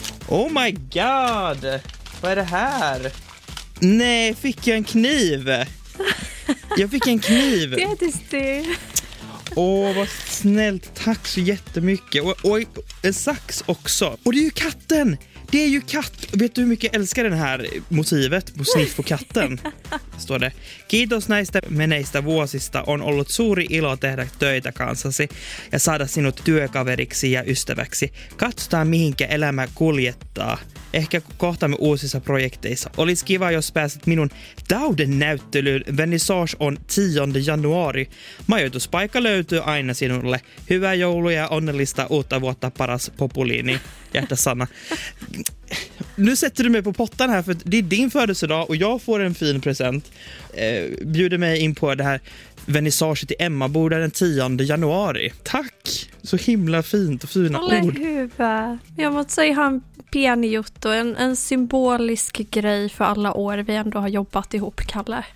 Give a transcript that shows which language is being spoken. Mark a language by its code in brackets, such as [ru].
[en] Oh my god! [sv] Vad är det här? Nej, fick jag en kniv? Jag fick en kniv. Det är just det. Åh, vad snällt. Tack så jättemycket. Och en sax också. Och det är ju katten! Det är ju katt. Vet du hur mycket jag älskar den här motivet? Motiv på katten. Står det. [fi] Kiitos näistä meneistä vuosista. On ollut suuri ilo tehdä töitä kanssasi ja saada sinut työkaveriksi ja ystäväksi. Katsotaan mihinkä elämä kuljettaa. Ehkä kohtaamme uusissa projekteissa. Olisi kiva, jos pääset minun Dauden näyttelyyn. Vernissage on 10. januari. Majoituspaikka löytyy aina sinulle. Hyvää joulua ja onnellista uutta vuotta, paras populiini. Jätä Sanna. [sv] Nu sätter du mig på pottan här, för det är din födelsedag och jag får en fin present. Bjuder mig in på det här vernissaget i Emmaboda den 10 januari. Tack! Så himla fint och fina ord. Jag måste säga han penigjort och en symbolisk grej för alla år vi ändå har jobbat ihop, Kalle.